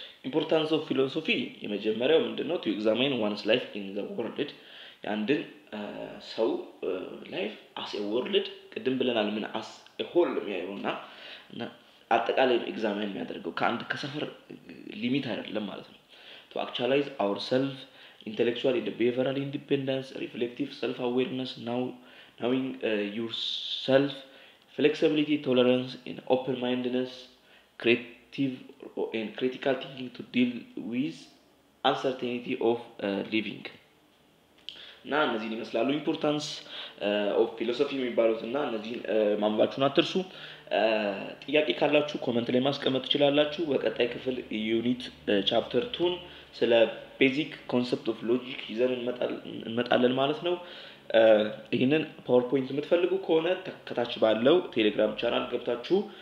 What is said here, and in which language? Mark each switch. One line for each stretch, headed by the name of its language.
Amharic: ኢምፖርታንስ ኦፍ ፊሎሶፊ የመጀመሪያው ምንድነው ቱ ኤግዛሜን ዋንስ ላይፍ ኢን ዘ ወርልድ ያንድን ሰው ላይፍ አስ ኤ ወርልድ ቀደም ብለናል ምን አስ ኤ ሆል የሚያዩና አጠቃላይ ኤግዛሜን የሚያደርገው ከአንድ ከሰፈር ሊሚት አይደለም ማለት ነው
English: to actualize ourselves intellectually, the behavioral independence, reflective self-awareness, knowing yourself, flexibility, tolerance, and open-mindedness, creative and critical thinking to deal with uncertainty of living.
Amharic: እና እነዚህን ይመስላሉ ኢምፖርታንስ ኦፍ ፊሎሶፊ የሚባሉት እና እነዚህን ማንባችሁን አትርሱ። ጥያቄ ካላችሁ ኮመንት ላይ ማስቀመጥ ትችላላችሁ። በቀጣይ ክፍል ዩኒት ቻፕተር 2 ስለ ቤዚክ ኮንሰፕት ኦፍ ሎጂክ ይዘን እንመጣለን ማለት ነው። ይህንን ፓወርፖይንት የምትፈልጉ ከሆነ ከታች ባለው ቴሌግራም ቻናል ገብታችሁ